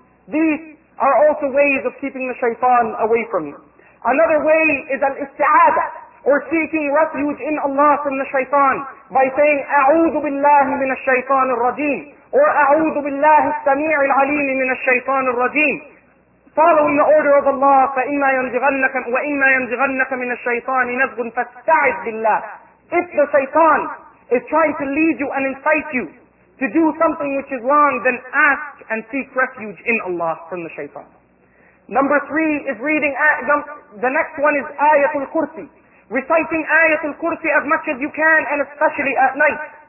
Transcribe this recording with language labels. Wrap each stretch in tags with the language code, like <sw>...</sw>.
<en>These are also ways of keeping the shaitan away from you. Another way is al-isti'adah, or seeking refuge in Allah from the shaitan, by saying,</en> <ar>أَعُوذُ بِاللَّهِ مِنَ الشَّيْطَانِ الرَّجِيمِ,</ar> <en>or</en> <ar>أَعُوذُ بِاللَّهِ السَّمِيعِ الْعَلِيمِ مِنَ الشَّيْطَانِ الرَّجِيمِ.</ar> <en>Following the order of Allah,</en> <ar>وَإِمَّا يَنْزِغَنَّكَ مِنَ الشَّيْطَانِ نَزْغٌ فَاسْتَعِدْ بِاللَّهِ.</ar> <en>If the shaitan is trying to lead you and incite you to do something which is wrong, then ask and seek refuge in Allah from the shaitan. Number three is reading, the next one is Ayatul Kursi. Reciting Ayatul Kursi as much as you can, and especially at night.</en>